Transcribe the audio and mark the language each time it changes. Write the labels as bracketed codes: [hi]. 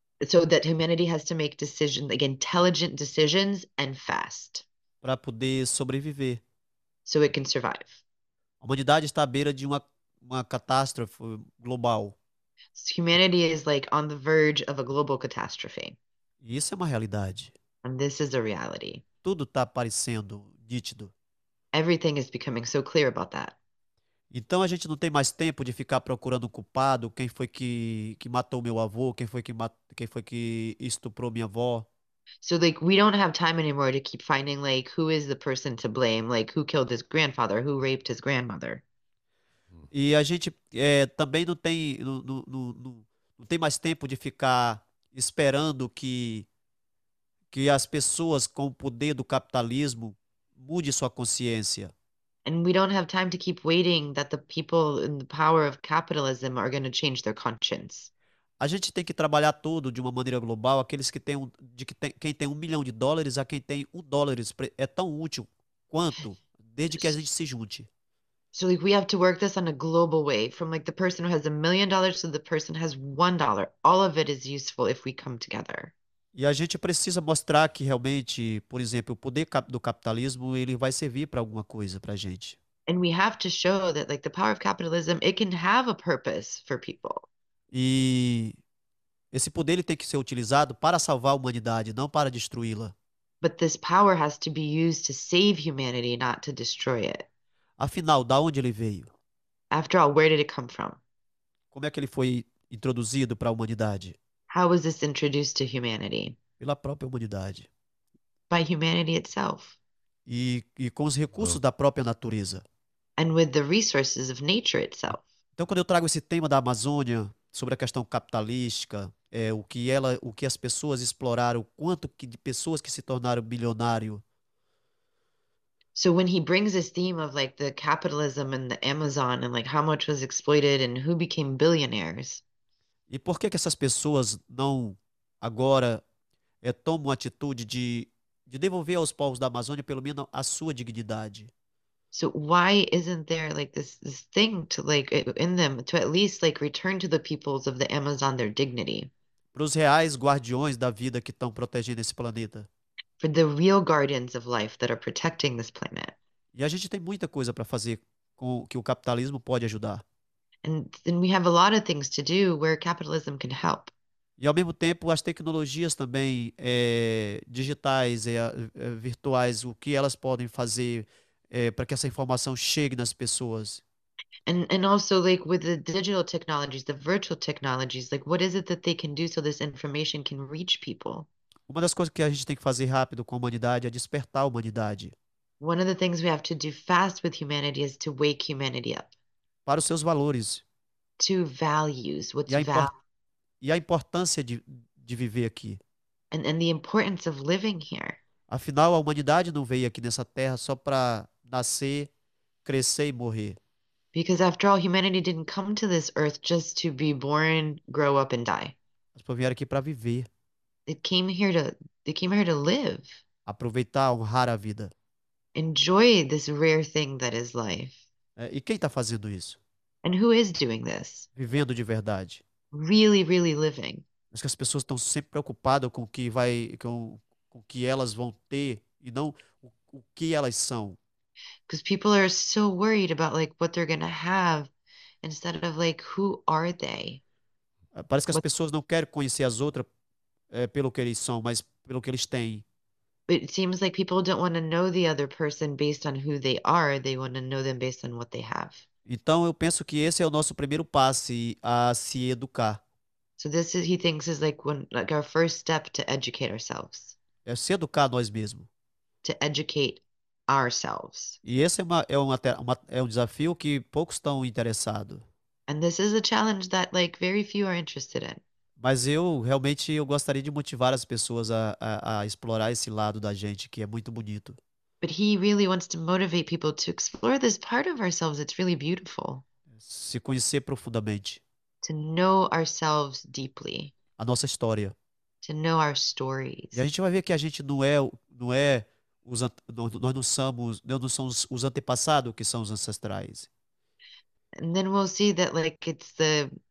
[en] so that humanity has to make decisions like intelligent decisions and fast [pt] Para poder sobreviver. [en] so it can survive. [pt] A humanidade está à beira de uma catástrofe global. [en] So humanity is like on the verge of a global catastrophe. [pt] E isso é uma realidade. [en] And this is a reality. [pt] Tudo está aparecendo nítido. [en] Everything is becoming so clear about that. [pt] Então a gente não tem mais tempo de ficar procurando culpado, quem foi que matou meu avô, quem foi que estuprou minha avó. [en] So like we don't have time anymore to keep finding like who is the person to blame, like who killed his grandfather, who raped his grandmother. [pt] E a gente também não tem, não tem mais tempo de ficar esperando que as pessoas com o poder do capitalismo mude sua consciência. [en] And we don't have time to keep waiting that the people in the power of capitalism are going to change their conscience. [pt] A gente tem que trabalhar tudo de uma maneira global, aqueles que tem um, de que tem, quem tem 1 milhão de dólares a quem tem 1 dólar é tão útil quanto, desde que a gente se junte. [en] So, like, we have to work this on a global way, from like the person who has $1 million to the person who has $1. All of it is useful if we come together. [pt] E a gente precisa mostrar que realmente, por exemplo, o poder do capitalismo, ele vai servir para alguma coisa para a gente. [en] And we have to show that, like, the power of capitalism, it can have a purpose for people. [pt] E esse poder, ele tem que ser utilizado para salvar a humanidade, não para destruí-la. [en] But this power has to be used to save humanity, not to destroy it. [pt] Afinal, da onde ele veio? [en] After all, where did it come from? [pt] Como é que ele foi introduzido para a humanidade? [en] How was this introduced to humanity? [pt] Pela própria humanidade. [en] By humanity itself. [pt] E com os recursos [en] Wow. [pt] da própria natureza. [en] And with the resources of nature itself. [pt] Então, quando eu trago esse tema da Amazônia, sobre a questão capitalística, o que as pessoas exploraram, o quanto que de pessoas que se tornaram bilionário. [en] So when he brings this theme of like the capitalism and the Amazon and like how much was exploited and who became billionaires. [pt] E por que que essas pessoas não agora tomam a atitude de devolver aos povos da Amazônia pelo menos a sua dignidade? [en] So why isn't there like this thing to like in them to at least like return to the peoples of the Amazon their dignity? [pt] Para os reais guardiões da vida que estão protegendo esse planeta. [en] For the real guardians of life that are protecting this planet. [pt] E a gente tem muita coisa para fazer com que o capitalismo pode ajudar. [en] And we have a lot of things to do where capitalism can help. [pt] E ao mesmo tempo, as tecnologias também digitais e virtuais, o que elas podem fazer para que essa informação chegue nas pessoas? [en] And also, like with the digital technologies, the virtual technologies, like what is it that they can do so this information can reach people? [pt] Uma das coisas que a gente tem que fazer rápido com a humanidade é despertar a humanidade [en] One of the things we have to do fast with humanity is to wake humanity up. [pt] para os seus valores [en] To values, [pt] e [en] what's value. [pt] a importância de viver aqui. [en] And the importance of living here. [pt] Afinal, a humanidade não veio aqui nessa terra só para nascer, crescer e morrer. [en] Because after all, humanity didn't come to this earth just to be born, grow up and die. [pt] As pessoas vieram aqui para viver. [en] They came here to live. [pt] Aproveitar, honrar a vida. [en] Enjoy this rare thing that is life. [pt] E quem está fazendo isso? [en] And who is doing this? [pt] Vivendo de verdade. [en] Really, really living. [pt] Acho que as pessoas estão sempre preocupadas com o que vai, com o que elas vão ter e não o que elas são. [en] Because people are so worried about like what they're gonna have instead of like who are they? [pt] Parece que as pessoas não querem conhecer as outras, pelo que eles são, mas pelo que eles têm. [en] It seems like people don't want to know the other person based on who they are, they want to know them based on what they have. [pt] Então, eu penso que esse é o nosso primeiro passo a se educar. [en] So this is, he thinks is like when like our first step to educate ourselves. [pt] É se educar nós mesmos. [en] To educate ourselves. [pt] E esse é um desafio que poucos estão interessados. [en] And this is a challenge that like very few are interested in. [pt] Mas eu gostaria de motivar as pessoas a explorar esse lado da gente, que é muito bonito. [en] But he really wants to motivate people to explore this part of ourselves. It's really beautiful. [pt] Se conhecer profundamente [en] To know ourselves deeply. [pt] a nossa história. [en] To know our [pt] E a [en] stories. [pt] gente vai ver que a gente não é os nós não somos nós não somos os antepassados que são os ancestrais. [en] And then we'll see that like it's the.